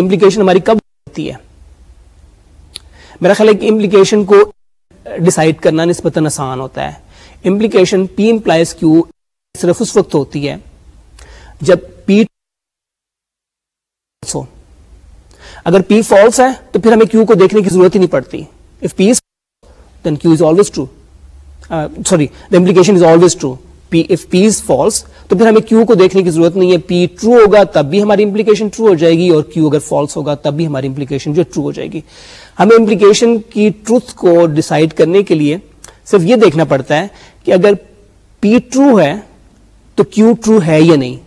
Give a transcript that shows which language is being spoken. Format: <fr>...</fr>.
<ur>Implication ہماری کب ہوتی ہے؟ میرا خیال ہے کہ امپلیکیشن کو ڈیسائیڈ کرنا نسبتاً آسان ہوتا ہے. امپلیکیشن پی امپلائز کیو صرف اس وقت ہوتی ہے جب پیس ہو. اگر پی فالس ہے تو پھر ہمیں کیو کو دیکھنے کی ضرورت ہی نہیں پڑتی.</ur> <en>If P is then Q is always true, sorry the implication is always true. If P is false</en> <ur>تو پھر ہمیں کیو کو دیکھنے کی ضرورت نہیں ہے. پی ٹرو ہوگا تب بھی ہماری امپلیکیشن ٹرو ہو جائے گی, اور کیو اگر فالس ہوگا تب بھی ہماری امپلیکیشن جو ٹرو ہو جائے گی. ہمیں امپلیکیشن کی ٹروتھ کو ڈیسائیڈ کرنے کے لیے صرف یہ دیکھنا پڑتا ہے کہ اگر پی ٹرو ہے تو کیو ٹرو ہے یا نہیں.</ur>